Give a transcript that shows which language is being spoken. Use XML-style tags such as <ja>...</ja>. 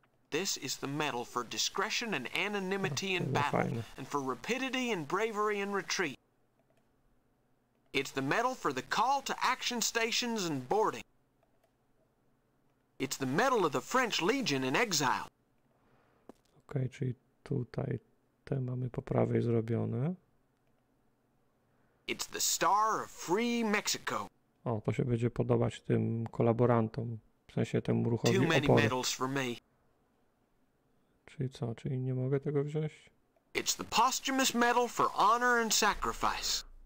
<en>This is the medal for discretion and anonymity in battle,</en> <pl>fajne.</pl> <en>And for rapidity and bravery in retreat. It's the medal for the call to action stations and boarding. It's the medal of the French Legion in exile.</en> <pl>Okay, czyli tutaj te mamy po prawej zrobione.</pl> <en>It's the star of free Mexico.</en> <pl>O, to się będzie podobać tym kolaborantom, w sensie temu ruchowi opory.</pl> <en>Too many medals for me.</en> <pl>Czyli co, czyli nie mogę tego wziąć?</pl> <en>It's the posthumous medal for honor and sacrifice.</en>